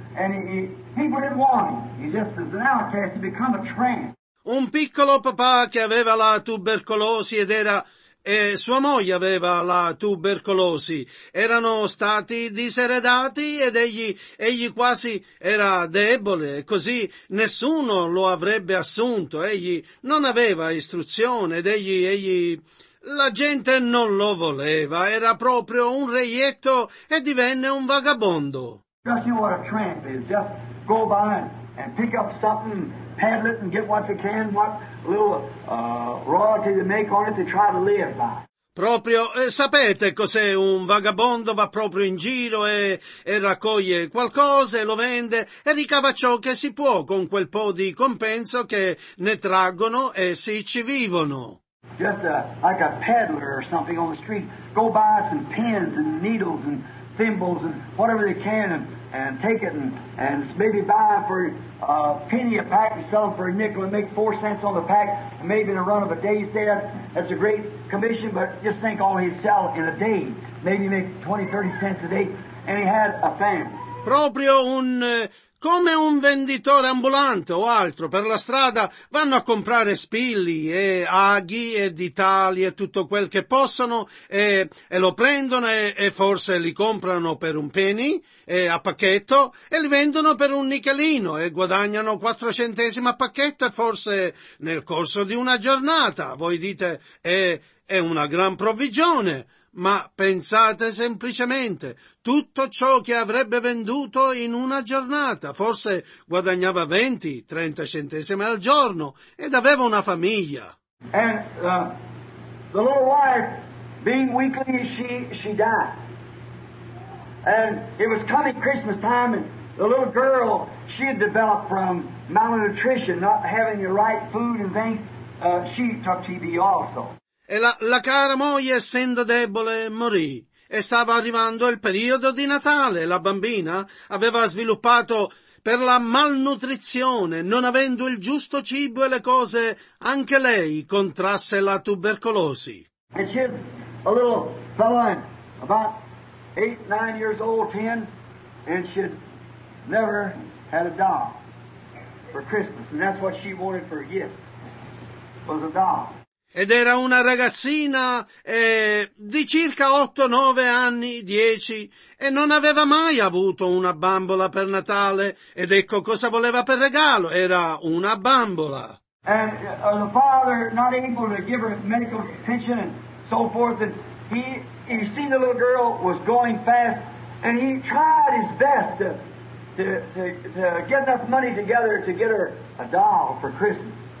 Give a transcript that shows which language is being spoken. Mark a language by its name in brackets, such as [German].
[English] And people didn't want him. He just was an outcast. He'd become a tramp. [Italian] Un piccolo papà che aveva la tubercolosi ed era... sua moglie aveva la tubercolosi. Erano stati diseredati ed egli quasi era debole. Così nessuno lo avrebbe assunto. Egli non aveva istruzione ed egli... La gente non lo voleva. Era proprio un reietto e divenne un vagabondo. [English] Just you know what a tramp is. Just go by and pick up something, peddle it, and get what you can, what little royalty they make on it to try to live by. [Italian] Proprio, sapete cos'è un vagabondo? Va proprio in giro e raccoglie qualcosa e lo vende e ricava ciò che si può con quel po' di compenso che ne traggono e si ci vivono. [English] just like a peddler or something on the street, go buy some pins and needles and thimbles and whatever they can and take it and maybe buy for a penny a pack and sell them for a nickel and make 4 cents on the pack and maybe in a run of a day, say that's a great commission, but just think all he'd sell in a day, maybe make 20, 30 cents a day, and he had a family. [Italian] Proprio un come un venditore ambulante o altro per la strada vanno a comprare spilli e aghi e ditali e tutto quel che possono e lo prendono e forse li comprano per un penny a pacchetto e li vendono per un nickelino e guadagnano 4 centesimi a pacchetto e forse nel corso di una giornata. Voi dite è una gran provvigione. Ma pensate semplicemente, tutto ciò che avrebbe venduto in una giornata, forse guadagnava 20, 30 centesimi al giorno ed aveva una famiglia. [English] And the little wife, being weakly, she died. And it was coming Christmas time and the little girl, she had developed from malnutrition, not having the right food and things, she took TB also. [Italian] E la cara moglie, essendo debole, morì. E stava arrivando il periodo di Natale. La bambina aveva sviluppato per la malnutrizione, non avendo il giusto cibo e le cose, anche lei contrasse la tubercolosi. [English] And she had a little fella, about 8-9 years old, 10, and she had never had a doll for Christmas. And that's what she wanted for a gift, was a doll. [Italian] Ed era una ragazzina di circa 8-9 anni, 10, e non aveva mai avuto una bambola per Natale, ed ecco cosa voleva per regalo, era una bambola. [English] And the father not able to give her medical attention and so forth, and he, you see the little girl was going fast, and he tried his best to get enough money together to get her a doll for Christmas.